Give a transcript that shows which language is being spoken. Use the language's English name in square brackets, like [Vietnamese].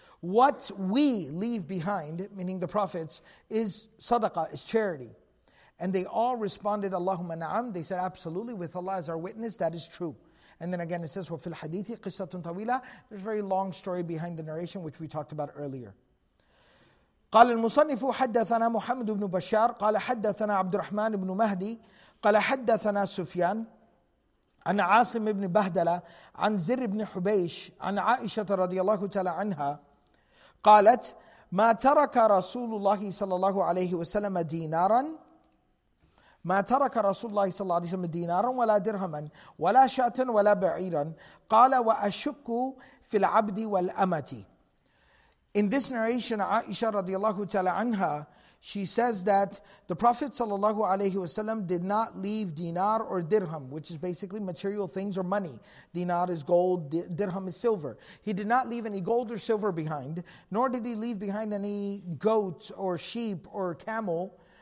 [English] What we leave behind, meaning the prophets, is sadaqah, is charity. And they all responded, Allahumma na'am. They said, absolutely, with Allah as our witness, that is true. And then again it says, [Arabic] وَفِي الْحَدِيثِ قِصَّةٌ طَوِيلَةٌ. [English] There's a very long story behind the narration which we talked about earlier. [Arabic] قال المصنف حدثنا محمد بن بشار قال حدثنا عبد الرحمن بن مهدي قال حدثنا سفيان عن عاصم بن بهدلة عن زر بن حبيش عن عائشة رضي الله تعالى عنها قالت ما ترك رسول الله صلى الله عليه وسلم دينارا ما ترك رسول الله صلى الله عليه وسلم دينارا ولا درهما ولا شاة ولا بعيرا قال وأشك في العبد والأمة. [English] In this narration, Aisha radiallahu ta'ala anha, she says that the Prophet sallallahu alayhi wasallam did not leave dinar or dirham, which is basically material things or money. Dinar is gold, dirham is silver. He did not leave any gold or silver behind, nor did he leave behind any goat or sheep or camel.